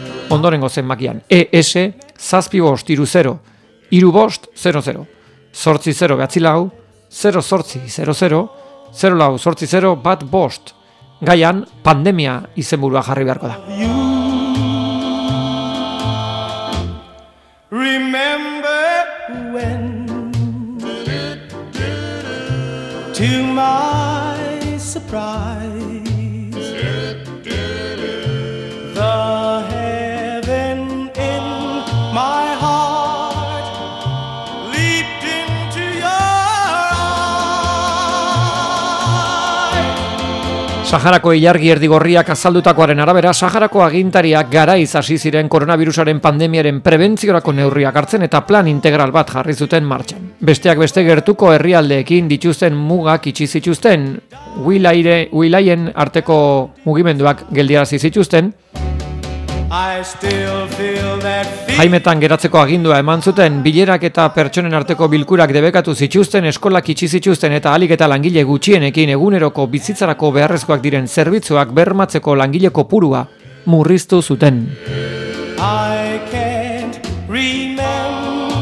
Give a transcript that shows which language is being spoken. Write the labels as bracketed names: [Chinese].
[Basque] Ondorengo zenbakian, ES 7530 35 00 8 behatzi lau, 0 8 0 0 0 8 0 1 5. Gaian, pandemia izenburua jarri beharko da. [English] Remember when to my surprise the heaven in my heart leaped into your eyes. [Basque] Saharako ilargi erdigorriak azaldutakoaren arabera, Saharako agintariak garaiz hasi ziren koronavirusaren pandemiaren prebentziorako neurriak hartzen eta plan integral bat jarri zuten martxan. Besteak beste, gertuko herrialdeekin dituzten mugak itxi zituzten, wilaien arteko mugimenduak geldiarazi zituzten, Jaimetan geratzeko agindua eman zuten, bilerak eta pertsonen arteko bilkurak debekatu zituzten, eskolak itxi zituzten eta alik eta langile gutxienekin eguneroko bizitzarako beharrezkoak diren zerbitzuak bermatzeko langile kopurua murriztu zuten. [English] I can't remember.